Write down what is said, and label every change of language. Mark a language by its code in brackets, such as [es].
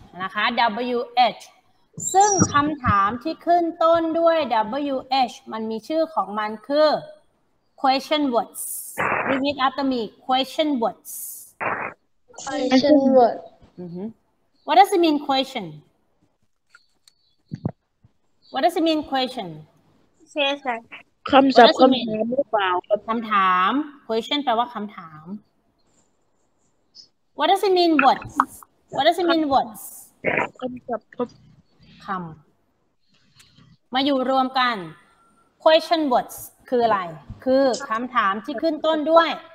[th] นะคะ wh ซึ่งคำถามที่ขึ้นต้นด้วย wh มันมีชื่อของมันคือ question words [en] repeat after me question words question word what does it mean questionWhat does it mean question? Question. [th] คำศัพท์คำถามหรือเปล่า คำถาม question แปลว่าคำถาม [en] What does it mean words? What does it mean words? [th] คำศัพท์คำมาอยู่รวมกัน question words คืออะไรคือคำถามที่ขึ้นต้นด้วย